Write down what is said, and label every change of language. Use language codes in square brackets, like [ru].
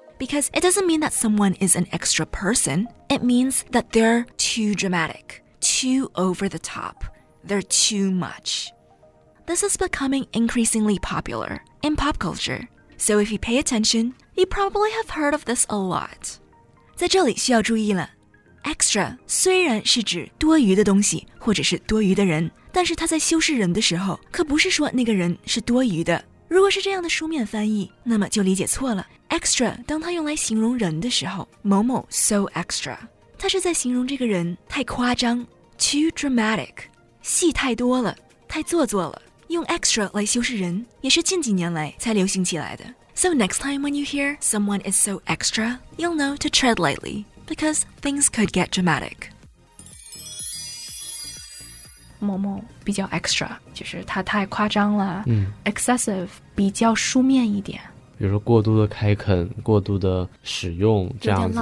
[en] Because it doesn't mean that someone is an extra person. It means that they're too dramatic, too over the top, they're too much. This is becoming increasingly popular in pop culture. So if you pay attention, you probably have heard of this a lot. [zh] 在这里需要注意了。 Extra 虽然是指多余的东西或者是多余的人。但是他在修饰人的时候可不是说那个人是多余的。如果是这样的书面翻译那么就理解错了。Extra 当他用来形容人的时候某某 [en] so extra。 [zh] 他是在形容这个人太夸张 [en] too dramatic, [zh] 戏太多了太做作了。用 extra 来修饰人也是近几年来才流行起来的。 [en] So next time when you hear someone is so extra, you'll know to tread lightly, because things could get dramatic. [zh] 某某比较 extra 就是他太夸张了、嗯、 excessive 比较书面一点比如说过度的开垦过度的使用这样子的